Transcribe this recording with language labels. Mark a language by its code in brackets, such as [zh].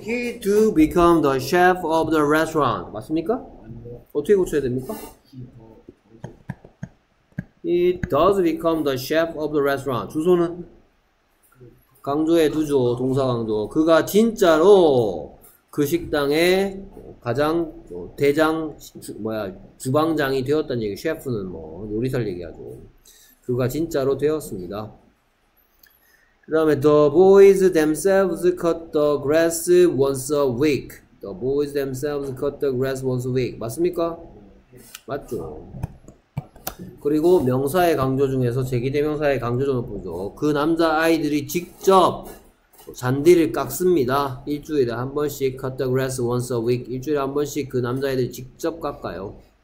[en] He to become the chef of the restaurant. [ko] 맞습니까? 어떻게 고쳐야 됩니까? [en] He does become the chef of the restaurant. [ko] 주소는? 강조해 두죠. 동사 강조. 그가 진짜로 그 식당에 가장 대장 주방장이 되었다는 얘기. 셰프는 뭐 요리사를 얘기하죠. 그가 진짜로 되었습니다. 그 다음에 [en] The boys themselves cut the grass once a week. The boys themselves cut the grass once a week. [ko] 맞습니까? 맞죠. 그리고 명사의 강조 중에서 제기대명사의 강조 좀 보죠. 그 남자 아이들이 직접 잔디를 깎습니다. 일주일에 한 번씩 [en] cut the grass once a week. [ko] 일주일에 한 번씩 그 남자애들 직접 깎아요.